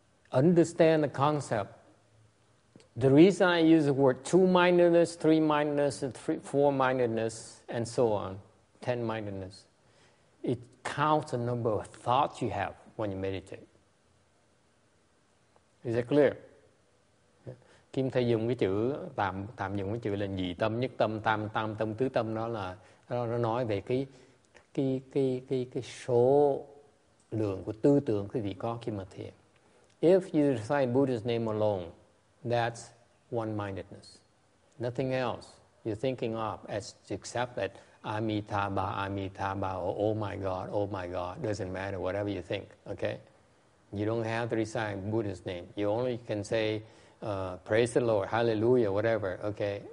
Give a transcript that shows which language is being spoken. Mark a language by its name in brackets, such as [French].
[English] Understand the concept. The reason I use the word two-mindedness, three-mindedness, four-mindedness, and so on, ten-mindedness, it counts the number of thoughts you have when you meditate. Is it clear? [Vietnamese] Kim Thầy dùng cái chữ, tạm dùng cái chữ là nhị tâm, nhất tâm, tam tâm, tứ tâm, đó là nó nói về cái số lượng của tư tưởng quý vị có khi mà thiền. [English] If you recite Buddha's name alone, that's one-mindedness. Nothing else you're thinking of as except that Amitabha, Amitabha, or oh my God, doesn't matter, whatever you think, okay? You don't have to recite Buddha's name. You only can say, praise the Lord, hallelujah, whatever, okay?